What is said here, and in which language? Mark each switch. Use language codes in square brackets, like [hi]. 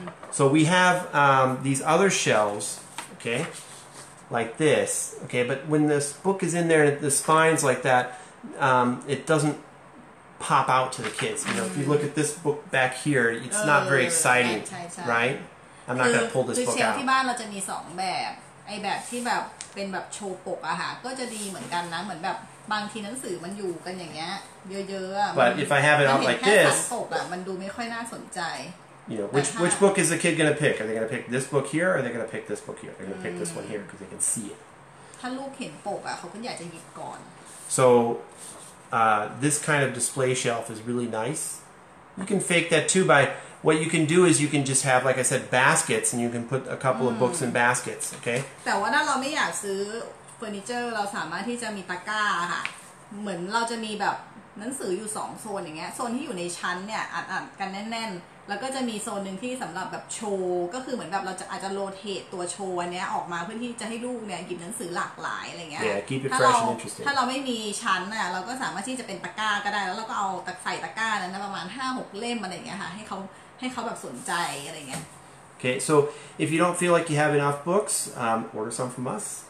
[en] So we have these other shelves, okay, like this. Okay, but when this book is in there, the spine's like that, it doesn't pop out to the kids. You know, if you look at this book back here, it's not very exciting, right? I'm not going to pull this book out. [th] คือที่บ้านเราจะมี2แบบไอ้แบบที่แบบเป็นแบบโชว์ปกอะค่ะก็จะดีเหมือนกันนะเหมือนแบบบางทีหนังสือมันอยู่กันอย่างเงี้ยเยอะๆ [en] But if I have it out like this, [th] มันดูไม่ค่อยน่าสนใจ [en] You know, which book is the kid going to pick? Are they going to pick this book here or are they going to pick this book here? They're going to pick this one here because they can see it. [th] ถ้าลูกเห็นปกอะเขาก็อยากจะหยิบก่อน [en] So this kind of display shelf is really nice. You can fake that too by what you can do is you can just have, like I said, baskets and you can put a couple of books in baskets, okay? [th] แต่ว่าถ้าเราไม่อยากซื้อเฟอร์นิเจอร์เราสามารถที่จะมีตะกร้าค่ะเหมือนเราจะมีแบบหนังสืออยู่2โซนอย่างเงี้ยโซนที่อยู่ในชั้นเนี่ยอัดๆกันแน่นๆแล้วก็จะมีโซนนึงที่สำหรับแบบโชว์ก็คือเหมือนแบบเราจะอาจจะโรเตทตัวโชว์อันเนี้ยออกมาเพื่อที่จะให้ลูกเนี่ยหยิบหนังสือหลากหลายอะไรเงี้ย [en] Yeah, keep it fresh and interesting. [th] ถ้าเราไม่มีชั้นน่ะเราก็สามารถที่จะเป็นตะกร้าก็ได้แล้วเราก็เอาใส่ตะกร้านั้นประมาณ 5-6 เล่มอะไรเงี้ยค่ะให้เค้าแบบสนใจอะไรเงี้ย [en] Okay, so if you don't feel like you have enough books, order some from us.